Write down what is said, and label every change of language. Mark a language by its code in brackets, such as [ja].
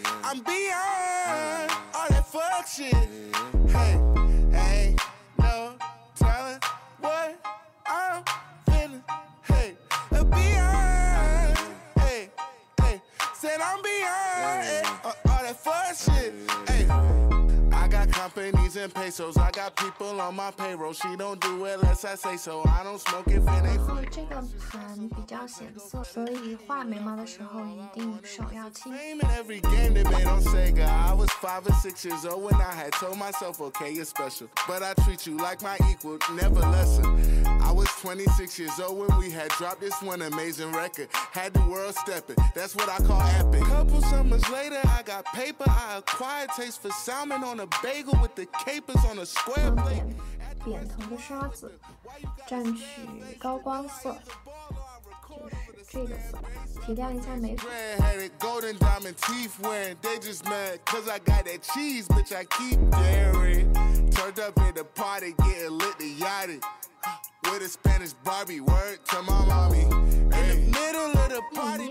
[en] I'm beyond all that fuck shit. Hey, hey, no telling what I'm feeling. Hey, I'm beyond. Hey, hey, said I'm beyond all that fuck shit. Hey. Companies and pesos, I got people on my payroll. She don't do it unless I say so. I don't smoke if it ain't. [zh] 然后这个盘比较显色，所以画眉毛的时候一定手要轻。 [en] Every game they made on Sega, I was 5 or 6 years old when I had told myself, okay, you're special, but I treat you like my equal, never lesser. I was 26 years old when we had dropped this one amazing record. Had the world stepping, that's what I call epic. Couple summers later, I got paper. I acquired taste for salmon on a bay. With the capers on a square plate, [zh] 扁头的刷子，蘸取高光色，就是这个色，提亮一下眉粉。 [en] Had it golden diamond teeth wearing, they just mad 'cause I got that cheese, bitch. I keep daring. Turned up at the party, getting lit the yachty with a Spanish Barbie. Word to my mommy. In the middle of the party.